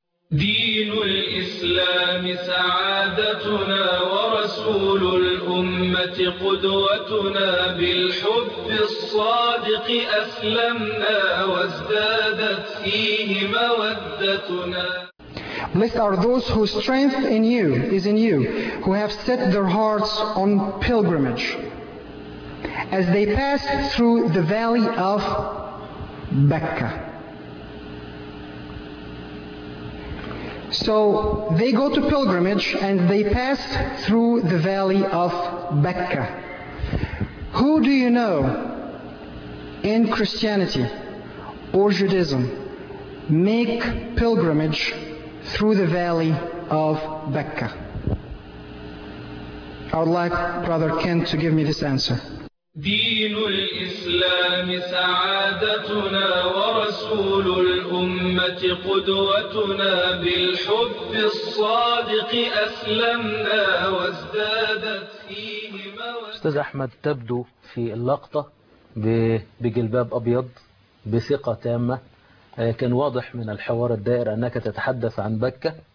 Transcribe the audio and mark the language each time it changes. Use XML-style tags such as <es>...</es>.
<ar>دين الإسلام سعادتنا ورسول الأمة قدوتنا، بالحب الصادق أسلمنا وازدادت فيه مودتنا.</ar> <en>Blessed are those whose strength in you is in you, who have set their hearts on pilgrimage. As they passed through the valley of Becca. So they go to pilgrimage and they pass through the valley of Becca. Who do you know in Christianity or Judaism make pilgrimage through the valley of Becca? I would like Brother Kent to give me this answer.</en> <ar>دين الإسلام سعادتنا ورسول الأمة قدوتنا، بالحب الصادق أسلمنا وازدادت فيه مودة. أستاذ أحمد، تبدو في اللقطة بجلباب أبيض بثقة تامة، كان واضح من الحوار الدائر أنك تتحدث عن بكة.</ar>